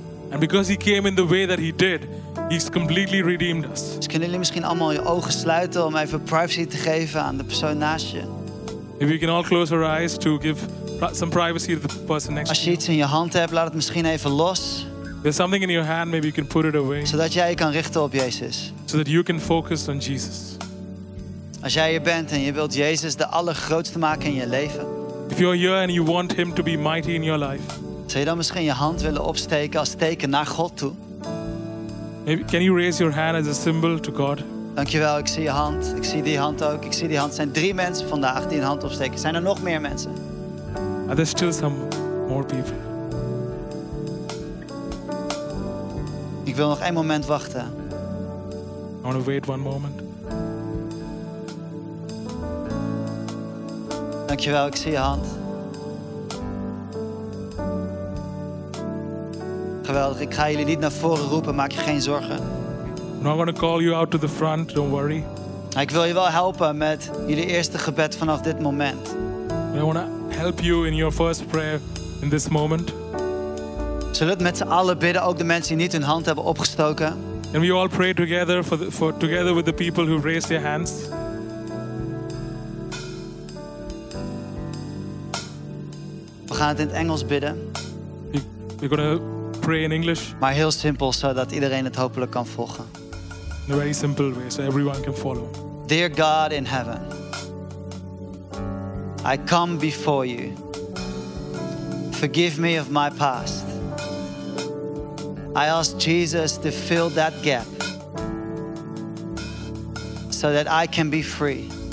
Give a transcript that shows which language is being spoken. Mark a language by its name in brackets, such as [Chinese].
[English] And because he came in the way that he did, he's completely redeemed us. [Dutch] Dus kunnen jullie misschien allemaal je ogen sluiten om even privacy te geven aan de persoon naast je? [English] If you can all close your eyes to give some privacy to the person next to you. [Dutch] Als je iets in je hand hebt, laat het misschien even los. [English] There's something in your hand, maybe you can put it away. [Dutch] Zodat jij je kan richten op Jezus. [English] So that you can focus on Jesus. [Dutch] Als jij hier bent en je wilt Jezus de allergrootste maken in je leven. [English] If you're here and you want him to be mighty in your life. [Dutch] Zou je dan misschien je hand willen opsteken als teken naar God toe? [English] Maybe, can you raise your hand as a symbol to God? [Dutch] Dankjewel, ik zie je hand. Ik zie die hand ook. Ik zie die hand. Er zijn 3 mensen vandaag die een hand opsteken. Zijn er nog meer mensen? [English] Are there still some more people? [Dutch] Ik wil nog 1 moment wachten. [English] I want to wait 1 moment. [Dutch] Dankjewel, ik zie je hand. Geweldig, ik ga jullie niet naar voren roepen, maak je geen zorgen. [English] I'm not going to call you out to the front, don't worry. [Dutch] Ik wil je wel helpen met jullie eerste gebed vanaf dit moment. [English] I want to help you in your first prayer in this moment. [Dutch] Zullen we het met z'n allen bidden, ook de mensen die niet hun hand hebben opgestoken? [English] Can we all pray together together with the people who raised their hands? [Dutch] We gaan het in het Engels bidden. [English] We're going to pray in English. [Dutch] Maar heel simpel, zodat iedereen het hopelijk kan volgen. [English] In a very simple way, so everyone can follow. Dear God in heaven, I come before you. Forgive me of my past. I ask Jesus to fill that gap so that I can be free.